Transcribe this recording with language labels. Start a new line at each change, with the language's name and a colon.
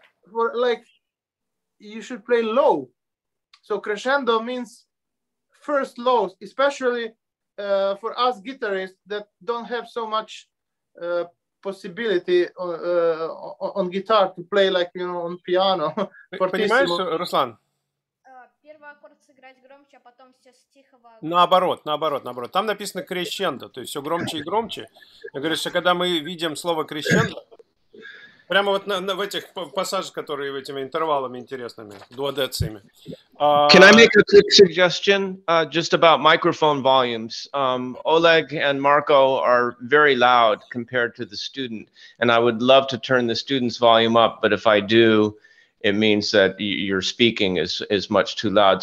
English: For like, you should play low. So crescendo means first low, especially for us guitarists that don't have so much possibility on guitar to play like, you know, on piano.
Russian: Понимаешь, Руслан? первый аккорд сыграть громче, а потом все с тихого... Наоборот, наоборот, наоборот. Там написано крещендо, то есть все громче и громче. Я говорю, что когда мы видим слово крещендо, прямо вот в этих пассажах, которые этими интервалами интересными, дуодециями.
English: Can I make a quick suggestion just about microphone volumes? Oleg and Marco are very loud compared to the student, and I would love to turn the student's volume up, but if I do, it means that your speaking is much too loud.